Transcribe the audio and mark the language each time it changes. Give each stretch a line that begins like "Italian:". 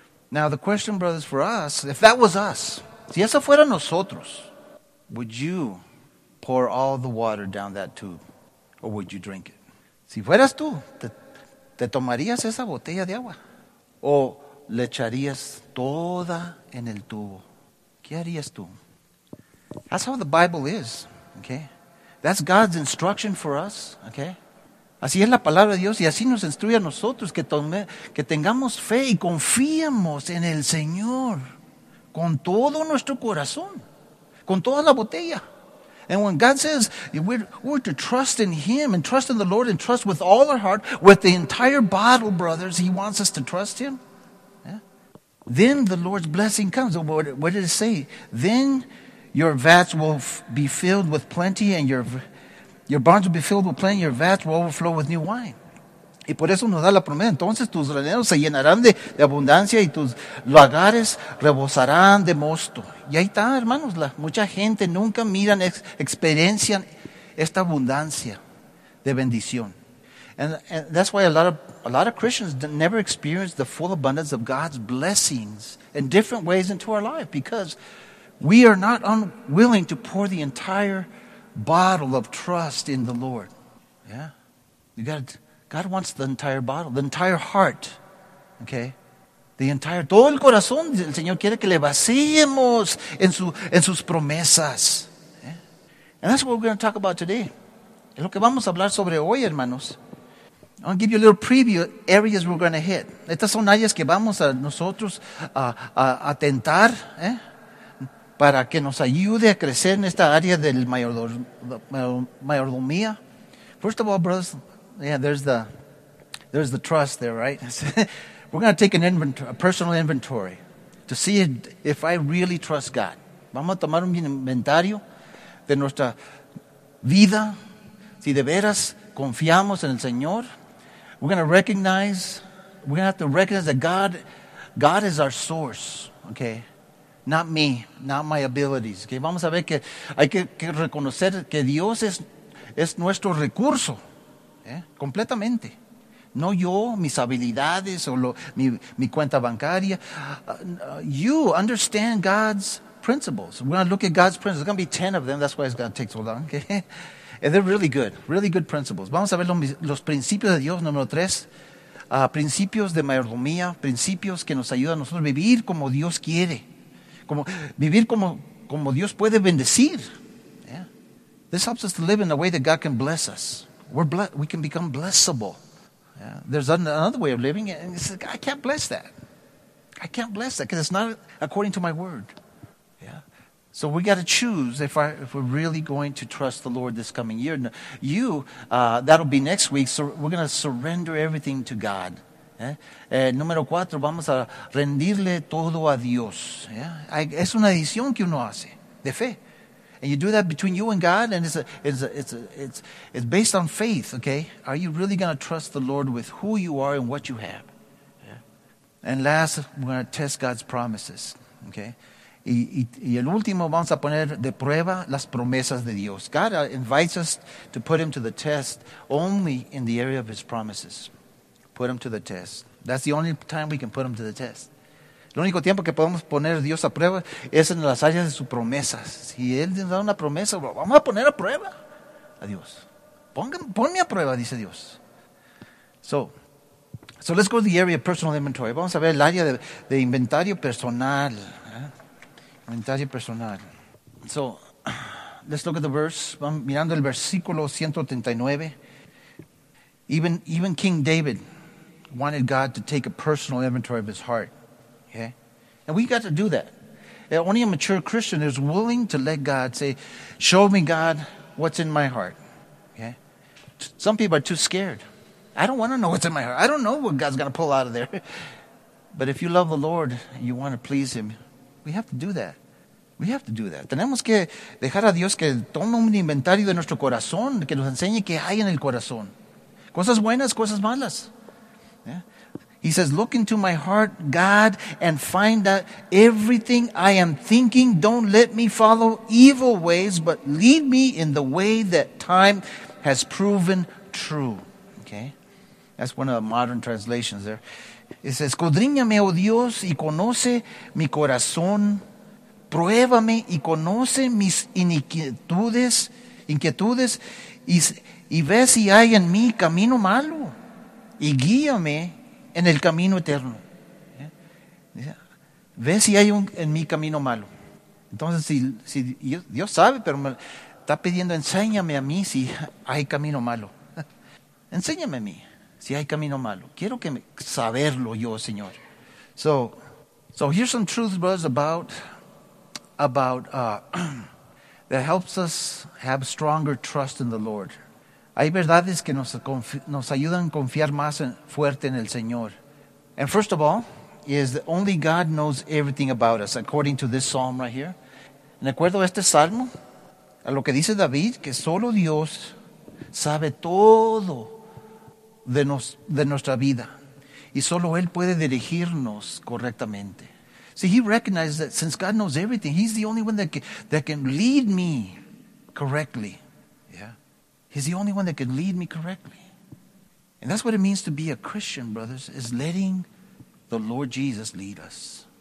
English: Now the question, brothers, for us, if that was us,
Spanish: si eso fuera nosotros,
English: would you pour all the water down that tube or would you drink it?
Spanish: Si fueras tú, ¿te tomarías esa botella de agua o le echarías toda en el tubo? ¿Qué harías tú?
English: That's how the Bible is, okay? That's God's instruction for us, okay?
Spanish: Así es la palabra de Dios y así nos instruye a nosotros que tengamos fe y confiemos en el Señor con todo nuestro corazón, con toda la botella.
English: And when God says we're to trust in Him and trust in the Lord and trust with all our heart, with the entire bottle, brothers, He wants us to trust Him. Yeah? Then the Lord's blessing comes. What did it say? Then your vats will be filled with plenty and your barns will be filled with plenty, your vats will overflow with new wine.
Spanish: Y por eso nos da la promesa. Entonces tus graneros se llenarán de abundancia y tus lagares rebosarán de mosto. Y ahí está, hermanos, mucha gente nunca miran, experiencian esta abundancia de bendición.
English: And that's why a lot of Christians never experience the full abundance of God's blessings in different ways into our life because we are not unwilling to pour the entire bottle of trust in the Lord. Yeah. God wants the entire bottle, the entire heart. Okay?
Spanish: Todo el corazón, el Señor quiere que le vaciemos en sus promesas.
English: Yeah? And that's what we're going to talk about today.
Spanish: Es lo que vamos a hablar sobre hoy, hermanos.
English: I'll give you a little preview areas we're going to hit.
Spanish: Estas son áreas que vamos a nosotros a tentar, ¿eh? Para que nos ayude a crecer en esta área del mayordomía.
English: First of all, brothers, yeah, there's the trust there, right? We're going to take a personal inventory to see if I really trust God. Vamos a tomar un inventario de nuestra vida, si de veras confiamos en el Señor. We're going to have to recognize that God is our source, okay? Not me, not my abilities.
Spanish: Okay, vamos a ver que hay que reconocer que Dios es nuestro recurso, ¿eh? Completamente. No yo, mis habilidades o mi cuenta bancaria.
English: You understand God's principles. We're going to look at God's principles. There's going to be 10 of them. That's why it's going to take so long. Okay? And they're really good. Really good principles.
Spanish: Vamos a ver los principios de Dios. Número 3. Principios de mayordomía. Principios que nos ayudan a nosotros a vivir como Dios quiere. Como, vivir como Dios puede bendecir. Yeah.
English: This helps us to live in a way that God can bless us. We can become blessable. Yeah. There's another way of living. And he says, I can't bless that. I can't bless that because it's not according to my word. Yeah. So we got to choose if we're really going to trust the Lord this coming year. That'll be next week. So we're going to surrender everything to God.
Spanish: Yeah. Número 4, vamos a rendirle todo a Dios. Yeah. Es una decisión que uno hace de fe.
English: And you do that between you and God, and it's based on faith, okay? Are you really going to trust the Lord with who you are and what you have? Yeah. And last, we're going to test God's promises, okay?
Spanish: Y el último, vamos a poner de prueba las promesas de Dios.
English: God invites us to put him to the test only in the area of his promises. Put him to the test. That's the only time we can put him to the test.
Spanish: El único tiempo que podemos poner a Dios a prueba es en las áreas de sus promesas. Si Él nos da una promesa, vamos a poner a prueba a Dios. Ponme a prueba, dice Dios.
English: So let's go to the area of personal inventory.
Spanish: Vamos a ver el área de inventario personal. ¿Eh? Inventario personal.
English: So, let's look at the verse.
Spanish: Vamos mirando el versículo 139.
English: Even King David wanted God to take a personal inventory of his heart. Okay? And we got to do that. Only a mature Christian is willing to let God say, show me, God, what's in my heart. Okay? Some people are too scared. I don't want to know what's in my heart. I don't know what God's going to pull out of there. But if you love the Lord and you want to please him, we have to do that. We have to do that.
Spanish: Tenemos que dejar a Dios que tome un inventario de nuestro corazón, que nos enseñe qué hay en el corazón. Cosas buenas, cosas malas.
English: Yeah. He says, look into my heart, God, and find out everything I am thinking. Don't let me follow evil ways, but lead me in the way that time has proven true. Okay? That's one of the modern translations there. It says,
Spanish: escudriñame, oh Dios, y conoce mi corazón. Pruébame, y conoce mis inquietudes. Y ve si hay en mí camino malo. Y guíame en el camino eterno. Yeah. Ve si hay en mi camino malo. Entonces, si Dios sabe, pero me está pidiendo, enséñame a mí si hay camino malo. Enséñame a mí si hay camino malo. Quiero saberlo yo, Señor.
English: So here's some truth, brothers, that helps us have stronger trust in the Lord.
Spanish: Hay verdades que nos ayudan a confiar más fuerte en el Señor. And first of all, is that only God knows everything about us, according to this psalm right here. En acuerdo a este salmo, a lo que dice David, que solo Dios sabe todo de nuestra vida. Y solo Él puede dirigirnos correctamente.
English: See, he recognizes that since God knows everything, he's the only one that can lead me correctly. He's the only one that can lead me correctly. And that's what it means to be a Christian, brothers, is letting the Lord Jesus lead us.